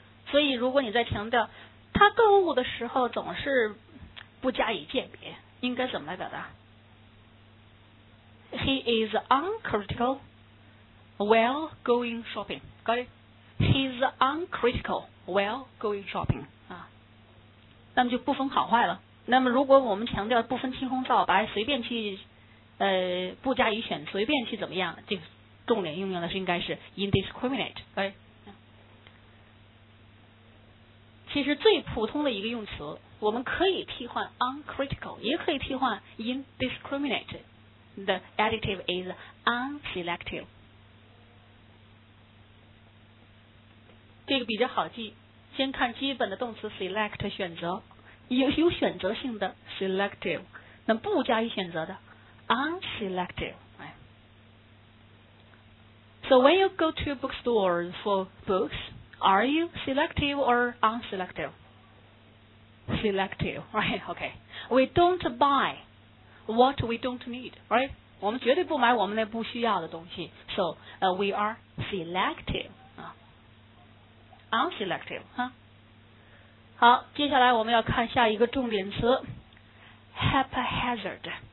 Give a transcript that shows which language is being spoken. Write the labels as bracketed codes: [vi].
[zh] 所以如果你在强调他购物的时候总是不加以鉴别，应该怎么来表达？ [en] He is uncritical while going shopping. Got it? He's uncritical while going shopping. [zh] 啊，那么就不分好坏了。那么如果我们强调不分青红皂白，随便去不加以选，随便去怎么样，就重点应用的是应该是 indiscriminate。哎，其实最普通的一个用词，我们可以替换 uncritical， 也可以替换 indiscriminate。 [en] The adjective is unselective。 [zh] 这个比较好记，先看基本的动词 select 选择，有选择性的 selective， 那不加以选择的 unselective。 [en] So when you go to a bookstore for books, are you selective or unselective? Selective, right? Okay. We don't buy what we don't need, right? [zh] 我们绝对不买我们那不需要的东西。 [en] So, we are selective, unselective, huh? [zh] 好，接下来我们要看下一个重点词 haphazard。